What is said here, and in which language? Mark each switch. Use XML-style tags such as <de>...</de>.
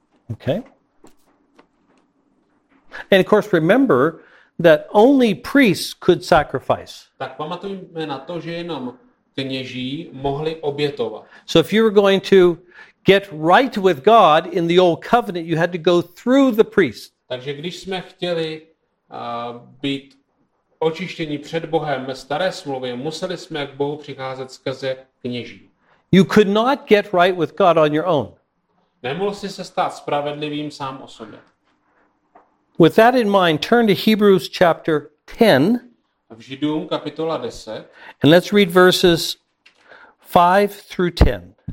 <en>Okay. And of course remember that only priests could sacrifice.</en> <cs>Tak pamatujme na to, že jenom kněží mohli obětovat.</cs> <en>So if you were going to get right with God in the old covenant, you had to go through the priest.</en> <cs>Takže když jsme chtěli být očištěni před Bohem ve staré smlouvě, museli jsme k Bohu přicházet skrze kněží.</cs> <en>You could not get right with God on your own.</en> <cs>Nemohl jsi se stát spravedlivým sám o sobě.</cs> <en>With that in mind, turn to Hebrews chapter 10.</en> <cs>V Židům kapitola 10.</cs> <en>And let's read verses 5 through 10.</en>